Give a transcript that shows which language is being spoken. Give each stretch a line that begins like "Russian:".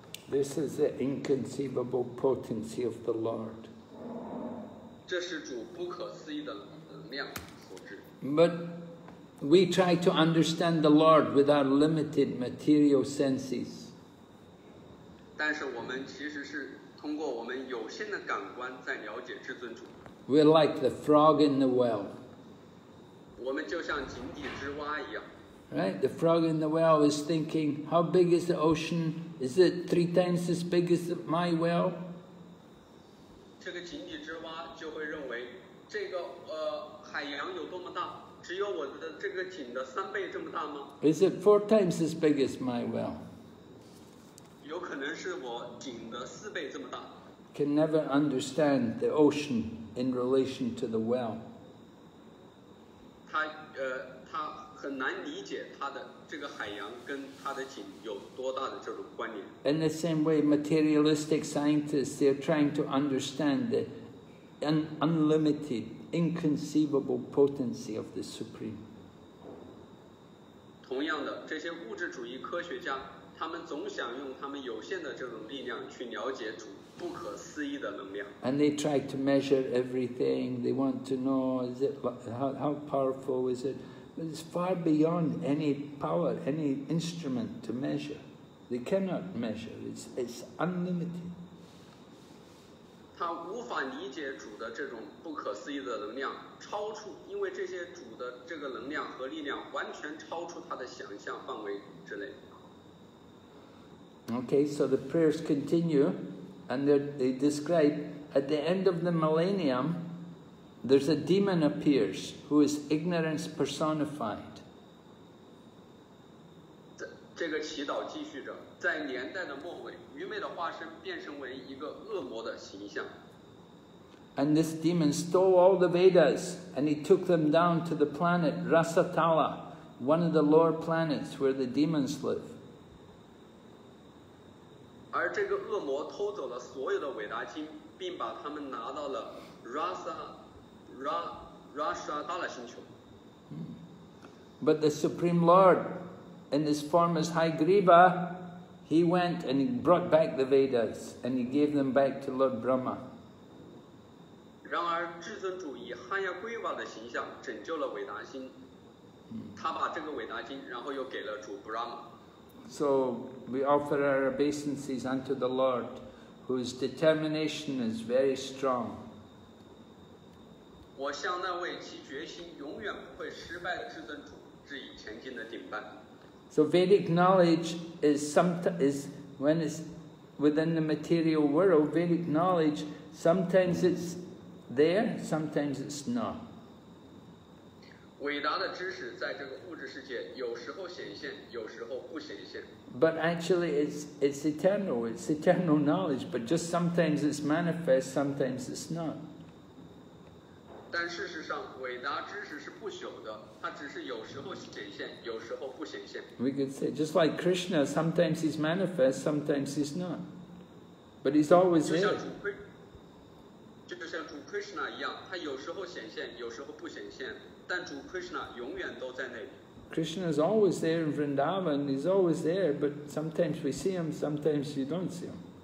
English: This is the inconceivable potency of the Lord.
Chinese: 这是主不可思议的能量所致。
English: But we try to understand the Lord with our limited material senses.
Chinese: 但是我们其实是通过我们有限的感官在了解至尊主。
English: We're like the frog in the well.
Chinese: 我们就像井底之蛙一样。
English: Right? The frog in the well is thinking, how big is the ocean? Is it 3 times as big as my well?
Chinese: 这个井底之蛙就会认为，这个海洋有多么大？只有我的这个井的三倍这么大吗？
English: Is it 4 times as big as my well?
Chinese: 有可能是我井的四倍这么大。
English: Can never understand the ocean in relation to the well.
Chinese: 他很难理解他的这个海洋跟他的井有多大的这种关联。
English: In the same way, materialistic scientists, they're trying to understand the unlimited, inconceivable potency of the Supreme.
Chinese: 同样的，这些物质主义科学家，他们总想用他们有限的这种力量去了解主。不可思议的能量。
English: And they try to measure everything. They want to know, is it, how powerful is it? But it's far beyond any power, any instrument to measure. They cannot measure. It's unlimited.
Chinese: 他无法理解主的这种不可思议的能量，超出，因为这些主的这个能量和力量完全超出他的想象范围之内。
English: Okay, so the prayers continue. And they describe, at the end of the millennium, there's a demon appears who is ignorance personified.
Chinese: 这个祈祷继续着，在年代的末尾，愚昧的化身变成为一个恶魔的形象。
English: And this demon stole all the Vedas, and he took them down to the planet Rasatala, one of the lower planets where the demons live.
Chinese: 而这个恶魔偷走了所有的伟达经，并把他们拿到了 Rasatala 星球。
English: But the Supreme Lord, in his form as Haigriva, he went and he brought back the Vedas and he gave them back to Lord Brahma.
Chinese: 然而，至尊主以哈亚圭瓦的形象拯救了伟达经，他把这个伟达经，然后又给了主 Brahma。
English: So we offer our obeisances unto the Lord, whose determination is very strong.
Chinese: 我向那位其决心永远不会失败的至尊主致以前进的顶拜。
English: So Vedic knowledge is sometimes when it's within the material world. Vedic knowledge sometimes it's there, sometimes it's not.
Chinese: 伟达的知识在这个物质世界有时候显现，有时候不显现。
English: But actually it's eternal, it's eternal knowledge, but just sometimes it's manifest, sometimes it's not.
Chinese: 但事实上伟达知识是不朽的，它只是有时候显现，有时候不显现。
English: We could say, just like Krishna, sometimes he's manifest, sometimes he's not. But he's always there.
Chinese: 就像主 Krishna 一样，他有时候显现，有时候不显现。但主 Krishna 永远都在那里。
English: Krishna is always there in Vrindavan, he's always there, but sometimes we see him, sometimes you don't see him.